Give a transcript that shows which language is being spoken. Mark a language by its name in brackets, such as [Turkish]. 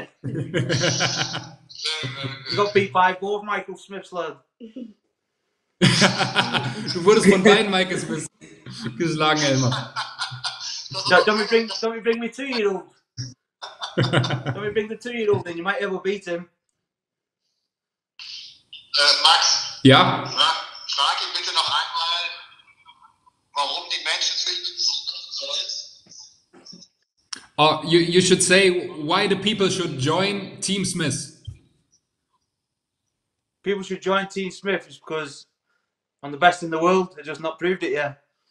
[English] You got beat by both Michael Smiths, lad. [German] Du wurdest von beiden Michael Smiths geschlagen, Elmar. [English] Don't bring me 2 year old. Don't bring the 2 year old, then you might ever beat him. Max? [German] Ja? Frag ihn bitte noch einmal, warum die Menschen sich [English] so you should say, why the people should join Team Smith. People should join Team Smith is because I'm the best in the world, they've just not proved it yet.